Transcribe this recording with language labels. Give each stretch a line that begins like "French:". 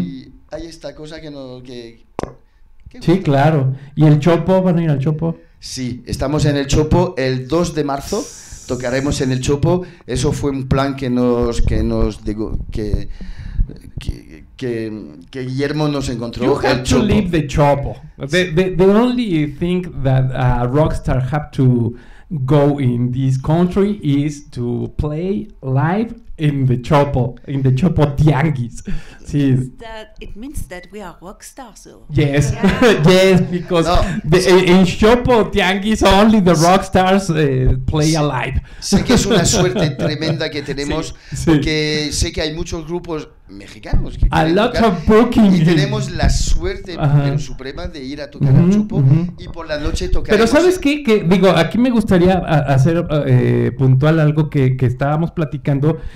Spanish: Y hay esta cosa que no, que sí, gusto, claro. ¿Y el Chopo? ¿Van a ir al Chopo? Sí, estamos en el Chopo el 2 de marzo. Tocaremos en el Chopo. Eso fue un plan que Guillermo nos encontró.
English: You have
Spanish: el Chopo
English: to leave the Chopo. The only thing that a rockstar have to go in this country is to play live in the Chopo Tianguis.
Spanish: Sí.
English: It means that we are rock stars, though. Yes, yeah. Yes, because no, in Chopo Tianguis only the rock stars play alive.
Spanish: Sé que es una suerte tremenda que tenemos, sí, sí, porque sé que hay muchos grupos mexicanos que
English: a lot of booking
Spanish: y tenemos la suerte, uh-huh, pero suprema de ir a tocar, uh-huh, al Chopo, uh-huh, y por la noche tocar. Pero ¿sabes qué? Que, digo, aquí me gustaría hacer puntual algo que estábamos platicando.